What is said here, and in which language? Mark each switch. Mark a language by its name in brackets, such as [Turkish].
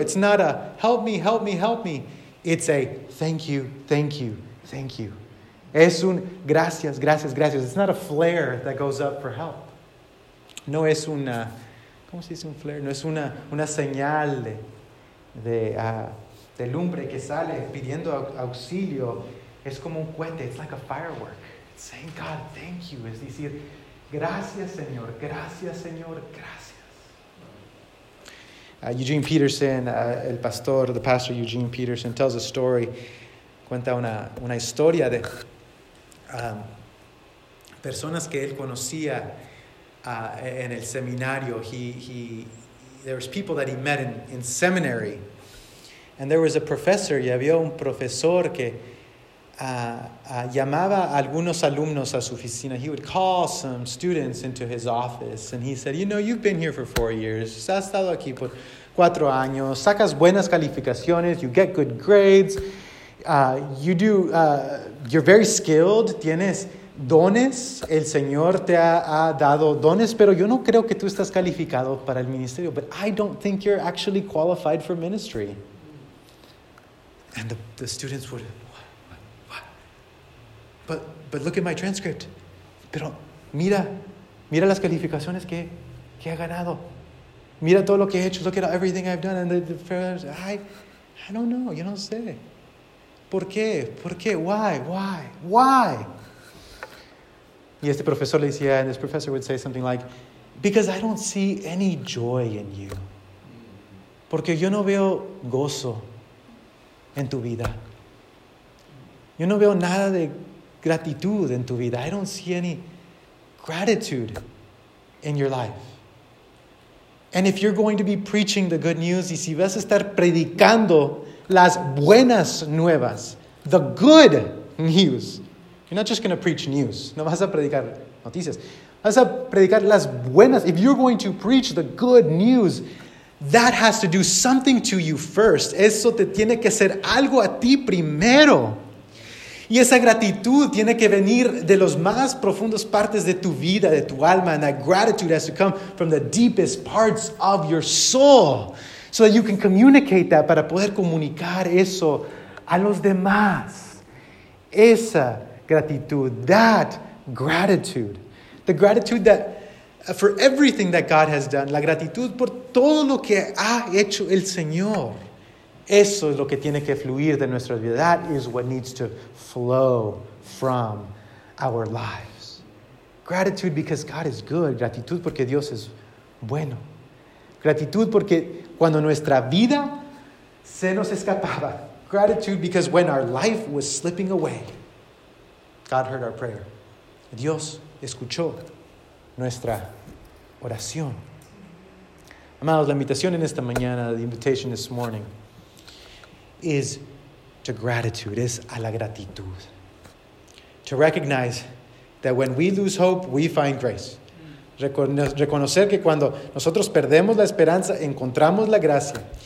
[English] It's not a help me, help me, help me. It's a thank you, thank you, thank you. [Spanish] Es un gracias, gracias, gracias. [English] It's not a flare that goes up for help. [Spanish] No es una, ¿cómo se dice un flare? No es una señal de lumbre que sale pidiendo auxilio. Es como un cohete. [English] It's like a firework. It's saying, God, thank you. [Spanish] Es decir, gracias, Señor. Gracias, Señor. Gracias. [English] Eugene Peterson, [Spanish] el pastor, [English] the pastor Eugene Peterson, tells a story. [Spanish] Cuenta una historia de personas que él conocía en el seminario. [English] There was people that he met in seminary. And there was a professor. [Spanish] Y había un profesor que llamaba a algunos alumnos a su oficina. [English] He would call some students into his office and he said, you know, you've been here for 4 years. [Spanish] Has estado aquí por 4 años. Sacas buenas calificaciones. [English] You get good grades. You're very skilled. [Spanish] Tienes dones. El Señor te ha dado dones, pero yo no creo que tú estás calificado para el ministerio. [English] But I don't think you're actually qualified for ministry. And the students would, But look at my transcript. [Spanish] Pero mira las calificaciones que ha ganado. Mira todo lo que he hecho. [English] Look at everything I've done. And the fellows, I don't know. You don't say. [Spanish] ¿Por qué? ¿Por qué? [English] Why? Why? Why? [Spanish] Y este profesor le decía, [English] and this professor would say something like, because I don't see any joy in you. [Spanish] Porque yo no veo gozo en tu vida. Yo no veo nada de gratitud en tu vida. [English] I don't see any gratitude in your life. And if you're going to be preaching the good news, [Spanish] y si vas a estar predicando las buenas nuevas, [English] the good news, you're not just going to preach news. [Spanish] No vas a predicar noticias. Vas a predicar las buenas. [English] If you're going to preach the good news, that has to do something to you first. [Spanish] Eso te tiene que hacer algo a ti primero. Y esa gratitud tiene que venir de los más profundos partes de tu vida, de tu alma. [English] And that gratitude has to come from the deepest parts of your soul. So that you can communicate that, [Spanish] para poder comunicar eso a los demás. esa gratitud, [English] that gratitude, the gratitude that for everything that God has done, [Spanish] la gratitud por todo lo que ha hecho el Señor. Eso es lo que tiene que fluir de nuestra vida. That is what needs to flow from our lives. Gratitude because God is good. Gratitud porque Dios es bueno. Gratitud porque cuando nuestra vida se nos escapaba. [English] Gratitude because when our life was slipping away, God heard our prayer. [Spanish] Dios escuchó nuestra oración. Amados, la invitación en esta mañana, [English] the invitation this morning, is to gratitude, [Spanish] es a la gratitud. [English] To recognize that when we lose hope, we find grace. [Spanish] Reconocer que cuando nosotros perdemos la esperanza, encontramos la gracia.